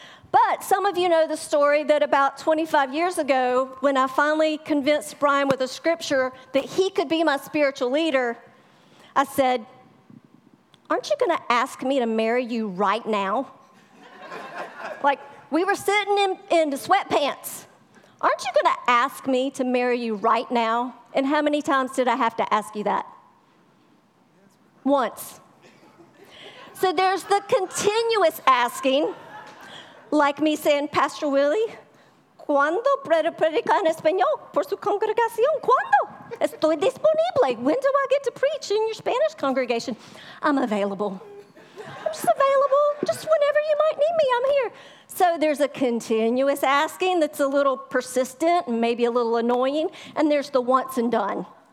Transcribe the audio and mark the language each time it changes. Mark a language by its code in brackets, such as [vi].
[en] But some of you know the story that about 25 years ago, when I finally convinced Brian with a scripture that he could be my spiritual leader, I said, aren't you going to ask me to marry you right now? Like, we were sitting in sweatpants. Aren't you going to ask me to marry you right now? And how many times did I have to ask you that? Once. So there's the continuous asking, like me saying, Pastor Willie, [es] ¿cuándo puede predicar en español por su congregación? ¿Cuándo? Estoy disponible. [en] When do I get to preach in your Spanish congregation? I'm available. I'm just available. Just whenever you might need me, I'm here. So there's a continuous asking that's a little persistent and maybe a little annoying, and there's the once and done.